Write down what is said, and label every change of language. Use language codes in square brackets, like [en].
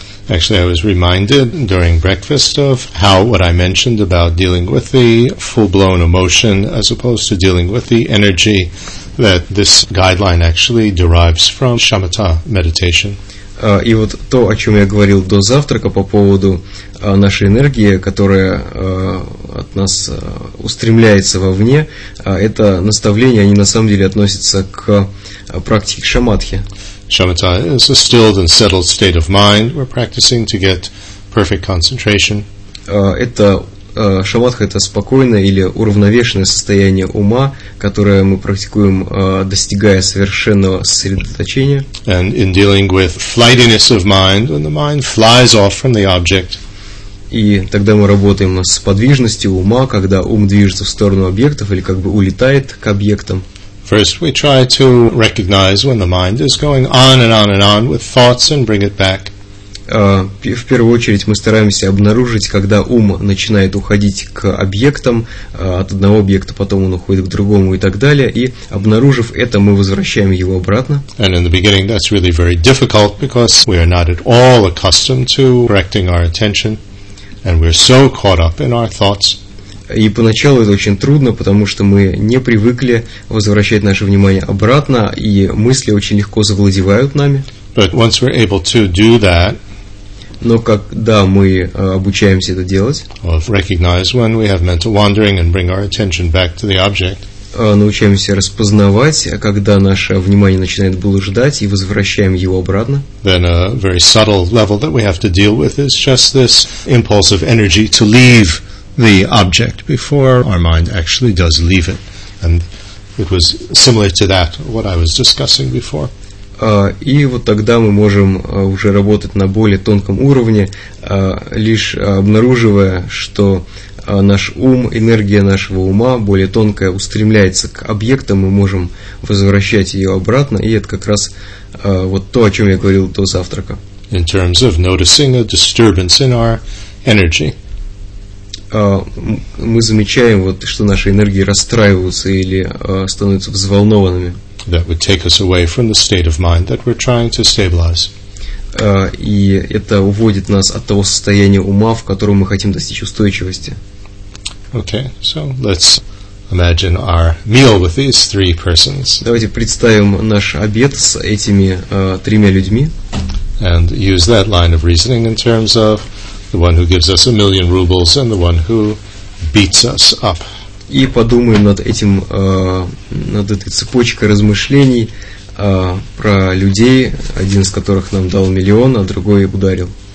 [en] Actually, I was reminded during breakfast of how what I mentioned about dealing with the full-blown emotion as opposed to dealing with the energy, that this guideline actually derives from shamatha meditation. [ru] И вот то, о чем я говорил до завтрака по поводу нашей энергии, которая от нас устремляется вовне, это наставление, они на самом деле относятся к практике шаматхи. [en] Shamatha is a stilled and settled state of mind. We're practicing to get perfect concentration. [ru] Это шаматха – это спокойное или уравновешенное состояние ума, которое мы практикуем, достигая совершенного сосредоточения. [en] And in dealing with flightiness of mind, when the mind flies off from the object. [ru] И тогда мы работаем с подвижностью ума, когда ум движется в сторону объектов или как бы улетает к объектам. [en] First, we try to recognize when the mind is going on and on and on with thoughts and bring it back. [ru] В первую очередь мы стараемся обнаружить, когда ум начинает уходить к объектам, от одного объекта потом он уходит к другому и так далее, и обнаружив это, мы возвращаем его обратно. [en] And in the beginning that's really very difficult because we are not at all accustomed to directing our attention and we're so caught up in our thoughts. [ru] И поначалу это очень трудно, потому что мы не привыкли возвращать наше внимание обратно, и мысли очень легко завладевают нами. [en] But once we're able to do that, [ru] но когда мы обучаемся это делать, [en] recognize when we have mental wandering and bring our attention back to the object, [ru] научаемся распознавать, когда наше внимание начинает блуждать, и возвращаем его обратно, [en] then a very subtle level that we have to deal with is just this impulse of energy to leave the object before our mind actually does leave it. And it was similar to that, what I was discussing before. [ru] И вот тогда мы можем уже работать на более тонком уровне, лишь обнаруживая, что наш ум, энергия нашего ума, более тонкая, устремляется к объектам, мы можем возвращать ее обратно, и это как раз вот то, о чем я говорил до завтрака. [en] In terms of noticing a disturbance in our energy. [ru] мы замечаем, вот, что наши энергии расстраиваются или становятся взволнованными. [en] That would take us away from the state of mind that we're trying to stabilize. [ru] И это уводит нас от того состояния ума, в котором мы хотим достичь устойчивости. [en] Okay, so let's imagine our meal with these three persons. [ru] Давайте представим наш обед с этими тремя людьми. [en] And use that line of reasoning in terms of the one who gives us a million rubles and the one who beats us up. [ru] И подумаем над этим, над этой цепочкой размышлений про людей, один из которых нам дал миллион, а другой ударил.